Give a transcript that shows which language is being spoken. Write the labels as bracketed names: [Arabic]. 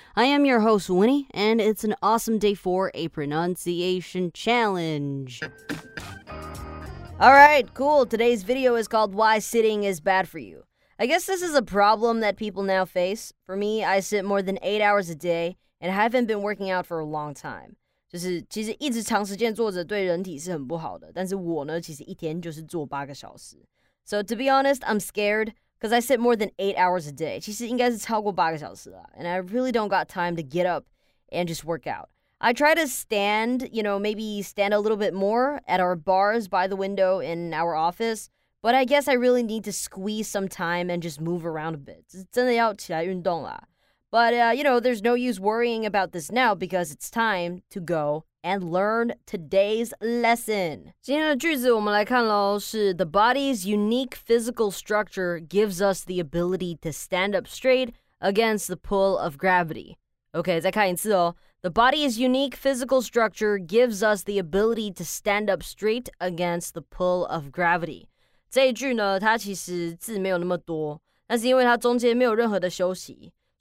[English] I am your host, Winnie, and it's an awesome day for a pronunciation challenge. Alright, cool. Today's video is called Why Sitting is Bad for You. I guess this is a problem that people now face. For me, I sit more than 8 hours a day, and I haven't been working out for a long time. [Chinese] 就是其实一直长时间坐着对人体是很不好的，但是我呢，其实一天就是坐八个小时。 [English] So to be honest, I'm scared because I sit more than 8 hours a day. [Chinese] 其实应该是超过八个小时啦, [English] and I really don't got time to get up and just work out. I try to stand, you know, maybe stand a little bit more at our bars by the window in our office, but I guess I really need to squeeze some time and just move around a bit. [Chinese] 真的要起来运动啦. [English] But, you know, there's no use worrying about this now because it's time to go and learn today's lesson. [Chinese] 今天的句子我们来看咯，是 [English] The body's unique physical structure gives us the ability to stand up straight against the pull of gravity. [Chinese] Okay, 再看一次哦。 [English] The body's unique physical structure gives us the ability to stand up straight against the pull of gravity. [Chinese] 这一句呢，它其实字没有那么多，但是因为它中间没有任何的休息。